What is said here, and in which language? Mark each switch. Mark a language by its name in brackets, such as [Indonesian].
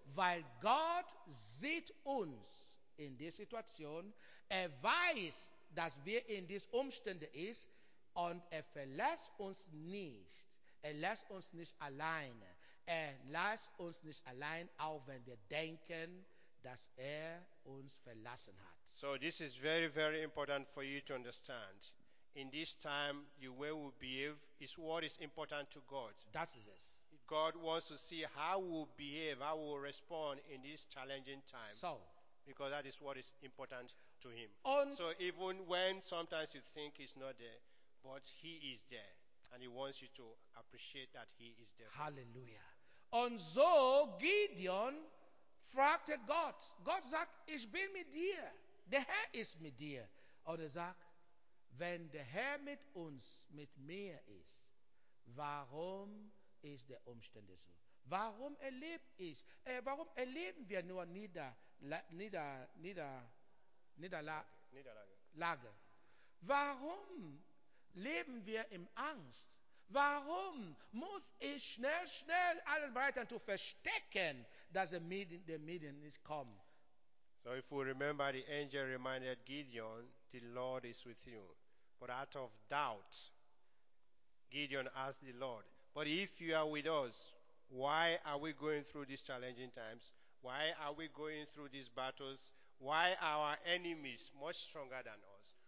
[German] Weil Gott sieht uns in der Situation, weiß, dass wir in diesen Umständen ist, und verlässt uns nicht. Lässt uns nicht alleine. Lässt uns nicht allein, auch wenn wir denken, dass uns verlassen hat. [English] So this is very, very important for you to understand. In this time, the way we behave is what is important to God. That is it. God wants to see how we behave, how we respond in this challenging time. So, because that is what is important to him. So even when sometimes you think he's not there, but he is there. And he wants you to appreciate that he is there. [German] Hallelujah. Und so Gideon fragte Gott. Gott sagt, ich bin mit dir. Der Herr ist mit dir. Und sagt, wenn der Herr mit uns, mit mir ist, warum ist der Umstände so? Warum erlebe ich? Warum erleben wir nur Niederlage? Warum leben wir in Angst? Warum muss ich schnell alles weiter zu verstecken, dass der Medien nicht kommt? [English] So if we remember, the angel reminded Gideon, the Lord is with you. But out of doubt, Gideon asked the Lord, but if you are with us, why are we going through these challenging times? Why are we going through these battles? Why are our enemies much stronger than us?